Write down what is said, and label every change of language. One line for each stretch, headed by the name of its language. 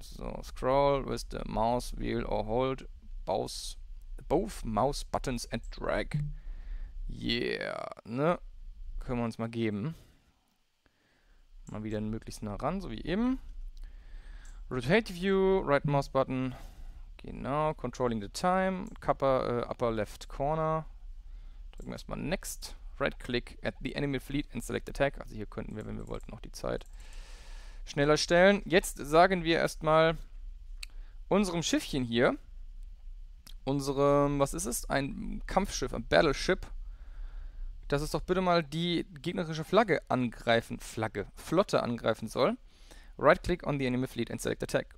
English: So, scroll with the mouse wheel or hold both mouse buttons and drag.
German: Yeah, ne? Können wir uns mal geben. Mal wieder möglichst nah ran, so wie eben.
English: Rotate view, right mouse button. Genau, controlling the time, upper left corner.
German: Drücken wir erstmal Next.
English: Right click at the enemy fleet and select attack.
German: Also hier könnten wir, wenn wir wollten, auch die Zeit schneller stellen. Jetzt sagen wir erstmal unserem Schiffchen hier, unserem, was ist es? Ein Kampfschiff, ein Battleship, dass es doch bitte mal die gegnerische Flotte angreifen soll.
English: Right click on the enemy fleet and select attack.